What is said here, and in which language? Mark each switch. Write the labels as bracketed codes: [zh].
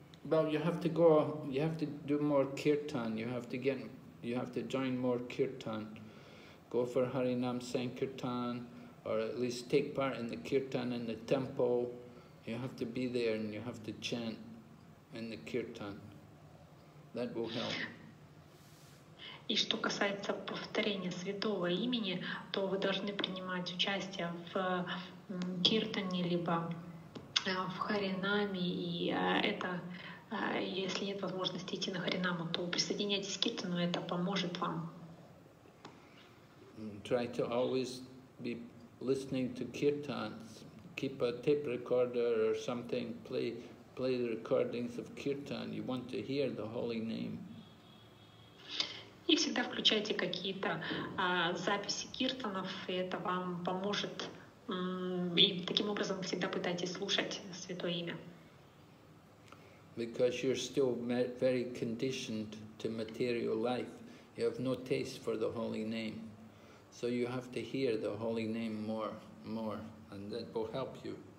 [en] Well, you have to go, you have to do more kirtan, you have to get, you have to join more kirtan. Go for Harinam Sankirtan, or at least take part in the kirtan in the temple. You have to be there and you have to chant in the kirtan. That will help. [ru] И что касается повторения святого имени, то вы должны принимать участие в киртане, либо в харинаме, и это, если нет возможности идти на харинаму, то присоединяйтесь к киртану, это поможет вам. [en] Try to always be listening to kirtans. Keep a tape recorder or something, play the recordings of kirtan. You want to hear the holy name. [ru] И всегда включайте какие-то записи киртанов, и это вам поможет. И таким образом всегда пытайтесь слушать святое имя. [en] Because you're still very conditioned to material life. You have no taste for the holy name. So you have to hear the holy name more, and that will help you.